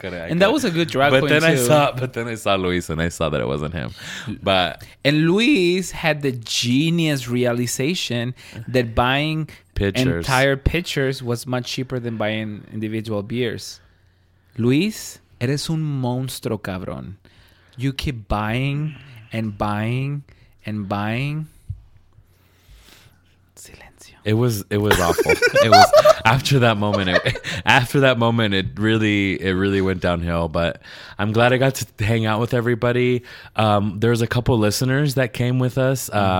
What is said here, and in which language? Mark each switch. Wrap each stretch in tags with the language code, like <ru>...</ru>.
<en>And that was a good drag queen too. But then I saw Luis and I saw that it wasn't him. And Luis had the genius realization that buying entire pitchers was much cheaper than buying individual beers.</en> <es>Luis, eres un monstruo cabrón.</es> <en>You keep buying and buying and buying.</en> <es>Silencio.</es> <en>It was awful. It was after that moment it really went downhill. But I'm glad I got to hang out with everybody. There's a couple listeners that came with us.</en>